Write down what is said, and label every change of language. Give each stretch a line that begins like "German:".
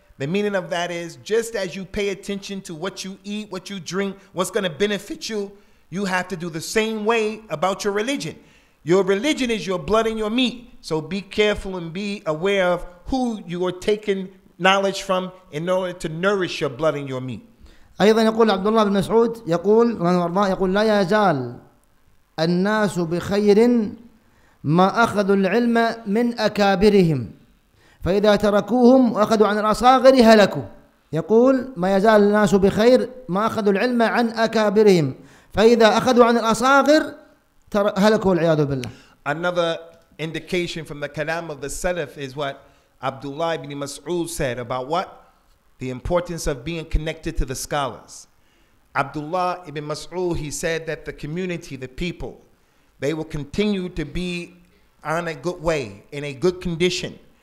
English: The meaning of that is, just as you pay attention to what you eat, what you drink, what's going to benefit you, you have to do the same way about your religion. Your religion is your blood and your meat. So be careful and be aware of who you are taking knowledge from in order to nourish your blood and your meat.
Arabic: أيضا يقول عبد الله بن مسعود يقول رضي الله عنه يقول لا يزال الناس بخير ما أخذوا العلم من أكابرهم فإذا تركوهم وأخذوا عن الأصاغر هلكوا. يقول ما يزال الناس بخير ما أخذوا العلم عن أكابرهم فَإِذَا أَخَذُوا عَنِ الْأَصَاغِرِ هَلَكُوا الْعِيَادُ بِاللَّهِ.
English: Another indication from the kalam of the Salaf is what Abdullah ibn Mas'ud said about what? The importance of being connected to the scholars. Abdullah ibn Mas'ud, he said that the community, the people, they will continue to be on a good way, in a good condition,